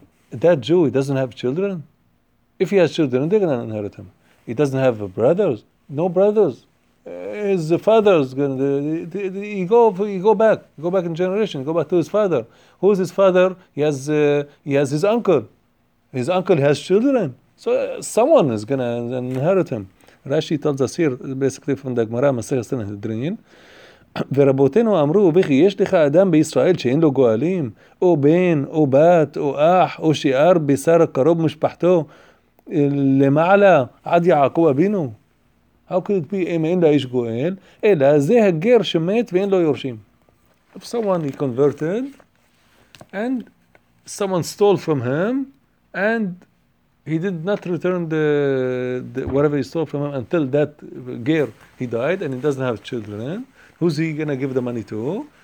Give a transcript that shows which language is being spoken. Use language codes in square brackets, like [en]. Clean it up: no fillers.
[en] That Jew, he doesn't have children? If he has children, they're going to inherit him. He doesn't have brothers? No brothers? his father's going to, he go back in generation, go back to his father. Who is his father? He has his uncle. His uncle has children. So someone is going to inherit him. Rashi tells us here, basically from the Gemara, Masechet Sanhedrin, [he] ורבותינו אמרו, וכי יש לך אדם בישראל שאין לו גואלים, או בן, או בת, או אח, או שיער בשר הקרוב משפחתו, למעלה, עד יעקב אבינו? [en] How could it be, [he] אם אין לה איש גואל, אלא זה הגר שמת ואין לו יורשים. [en] If someone he converted, and someone stole from him, and he did not return the whatever he stole from him until that gear he died, and he doesn't have children, who's he going to give the money to?